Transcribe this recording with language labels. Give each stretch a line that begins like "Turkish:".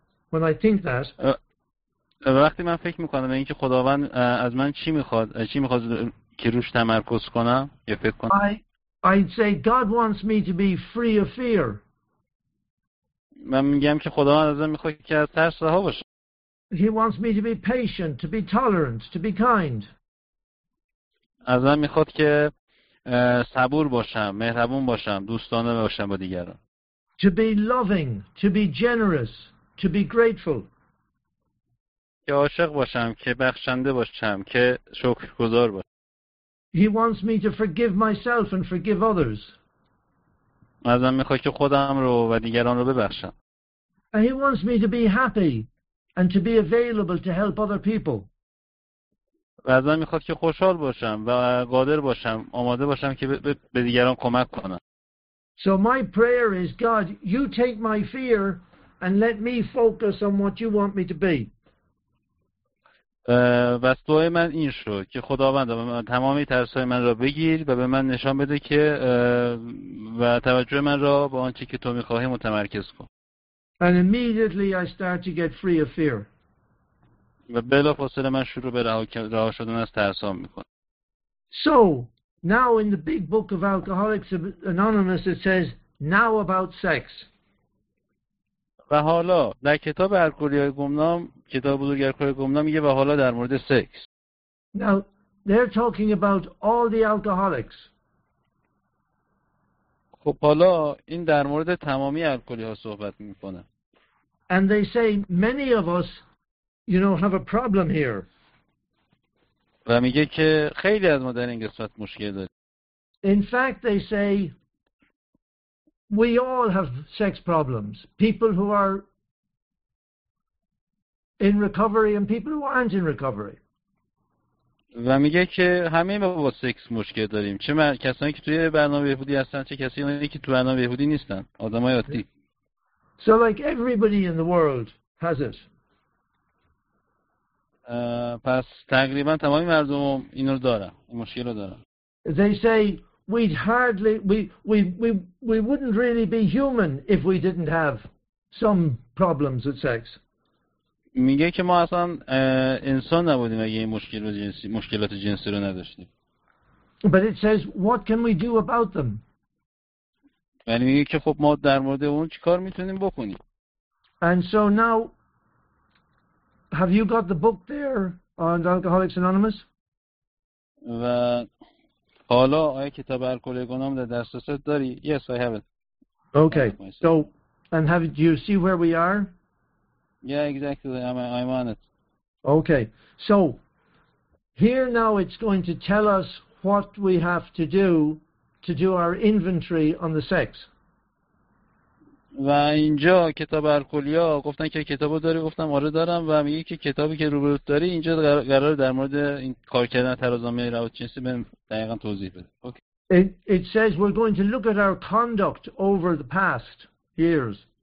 English: When I think that.
Persian: وقتی من فکر میکنم به اینکه خداوند از من چی میخواد که روش تمرکز کنم یا فکر کنم.
English: I'd say God wants me to be free of fear.
Persian: من میگم که خداوند از من میخواد که از ترس رها باشم.
English: He wants me to be patient, to be tolerant, to be kind.
Persian: از من میخواد که صبور باشم، مهربون باشم، دوستانه باشم با دیگران.
English: To be loving, to be generous, to be grateful.
Persian: که عاشق باشم، که بخشنده باشم، که شکرگزار باشم.
English: He wants me to forgive myself and forgive others.
Persian: ازم میخواد که خودم رو و دیگران رو ببخشم.
English: And he wants me to be happy and to be available to help other people.
Persian: و از من میخواد که خوشحال باشم و قادر باشم آماده باشم که به دیگران کمک کنم.
English: So my prayer is, God, you take my fear and let me focus on what you want me to be.
Persian: و دعای من این شد که خداوند تمامی ترسای من را بگیر و به من نشان بده که و توجه من را به آنچه که تو میخواهی متمرکز کن.
English: And immediately I start to get free of fear.
Persian: و بلافاصله من شروع به رها شدن از ترسام میکنم.
English: So now in the big book of Alcoholics Anonymous it says now about sex.
Persian: و حالا در کتاب الکلی‌های گمنام کتاب بزرگ الکلی‌های گمنام میگه و حالا در مورد سکس.
English: Now they're talking about all the alcoholics.
Persian: خب حالا این در مورد تمامی الکلی‌ها صحبت میکنه.
English: And they say many of us, you know, have a problem here.
Persian: و میگه که خیلی از ما در این قسمت مشکل داریم.
English: In fact, they say We all have sex problems. People who are in recovery and people who aren't in recovery.
Persian: و میگه که همه ما با سکس مشکل داریم، چه کسانی که توی برنامه بهبودی هستن چه کسانی که توی برنامه بهبودی نیستن، آدمای عادی.
English: So like everybody in the world has it.
Persian: پس تقریبا تمام مردم اینو دارن، این مشکل رو دارن.
English: They say we wouldn't really be human if we didn't have some problems with sex.
Persian: میگه که ما اصلا انسان نبودیم اگه این مشکلات جنسی رو نداشتیم.
English: But it says, what can we do about them?
Persian: یعنی میگه که خب ما در مورد اون چی کار میتونیم بکنیم.
English: And so now, have you got the book there on Alcoholics Anonymous?
Persian: و حالا آیا کتاب الکلیگان هم در دسترست داری؟
English: Yes, I have it. Okay, so, and have do you see where we are? Yeah, exactly. I'm on it. Okay. So, here now it's going to tell us what we have to do our inventory on the sex.
Persian: و اینجا کتاب الکلیا گفتن که کتابو داری، گفتم آره دارم و میگه که کتابی که روبروت داری اینجا قرار در مورد این کار کردن ترازنامه روابط جنسی بهم دقیقا توضیح بده.
English: Okay. It says we're going to look at our conduct over the past years.